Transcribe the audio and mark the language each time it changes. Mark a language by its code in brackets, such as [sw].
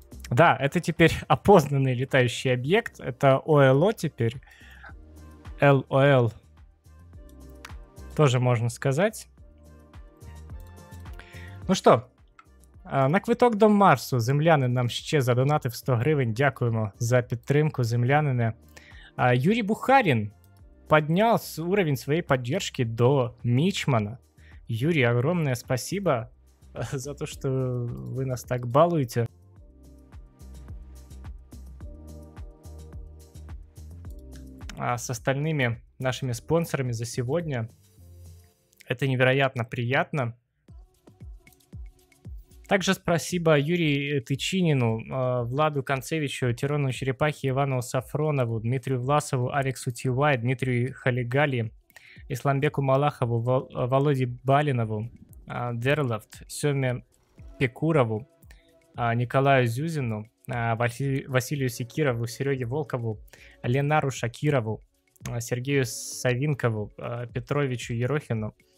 [ru] Да, это теперь опознанный летающий объект. Это OLO теперь. LOL. Тоже можно сказать. Ну что, [uk] на квиток до Марсу. Земляни нам ще задонатив 100 гривень. Дякуємо за підтримку, землянине. Юрій Бухарін підняв рівень своєї підтримки до мічмана. Юрій, [ru] огромне спасибо [uk] за те, що ви нас так балуєте. [ru] А с остальными нашими спонсорами за сегодня. Это невероятно приятно. Также спасибо Юрию Тычинину, Владу Концевичу, Тирону Черепахе, Ивану Сафронову, Дмитрию Власову, Алексу Тивай, Дмитрию Халигали, Исламбеку Малахову, Володе Балинову, Дерлафт, Семе Пекурову, Николаю Зюзину, Василию Секирову, Сереге Волкову, Ленару Шакирову, Сергею Савинкову, Петровичу Ерохину,